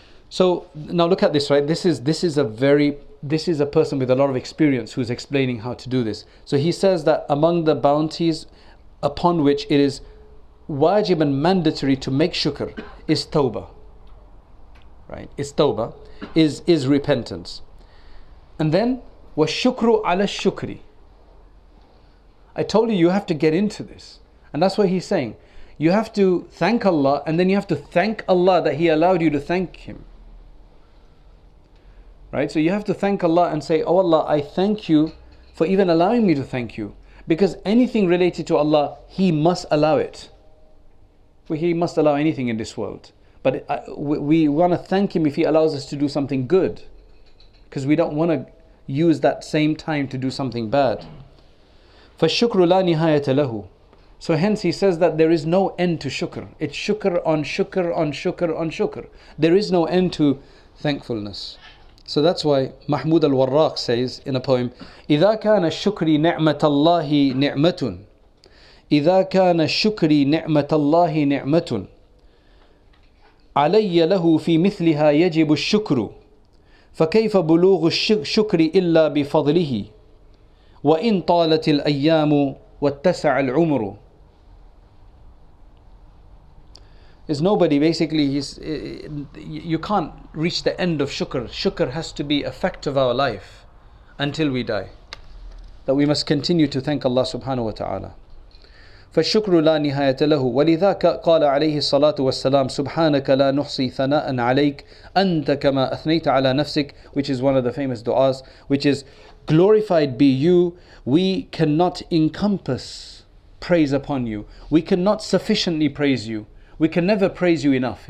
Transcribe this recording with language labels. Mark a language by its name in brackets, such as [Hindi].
[English] So now look at this, right? This is a person with a lot of experience who's explaining how to do this. So he says that among the bounties upon which it is wajib and mandatory to make shukr is tawbah. Right? Is tawbah, is repentance. And then, [Arabic] وَالشُّكْرُ عَلَى الشُّكْرِ. [English] I told you have to get into this. And that's what he's saying. You have to thank Allah, and then you have to thank Allah that He allowed you to thank Him. Right? So you have to thank Allah and say, oh Allah, I thank you for even allowing me to thank you. Because anything related to Allah, He must allow it. Well, He must allow anything in this world. But we want to thank Him if He allows us to do something good. Because we don't want to use that same time to do something bad. [Arabic] فَالشُّكْرُ لَا نِهَايَةَ لَهُ. [English] So hence he says that there is no end to shukr. It's shukr on shukr on shukr on shukr. There is no end to thankfulness. So that's why Mahmud al-Warraq says in a poem, [Arabic] إِذَا كَانَ الشُّكْرِ نِعْمَةَ اللَّهِ نِعْمَةٌ إِذَا كَانَ الشُّكْرِ نِعْمَةَ اللَّهِ نِعْمَةٌ عَلَيَّ لَهُ فِي مِثْلِهَا يَجِبُ الشُّكْرُ فكيف بلوغ الشكر إلا بفضله وإن طالت الأيام واتسع العمر. [English] Is nobody basically he's you can't reach the end of shukr. Shukr has to be a fact of our life until we die, that we must continue to thank Allah subhanahu wa ta'ala. [Arabic] فالشكر لا نهاية له ولذا قال عليه الصلاة والسلام سبحانك لا نحصي ثناء عليك أنت كما أثنيت على نفسك. [English] Which is one of the famous du'as, which is glorified be you, we cannot encompass praise upon you, we cannot sufficiently praise you, we can never praise you enough.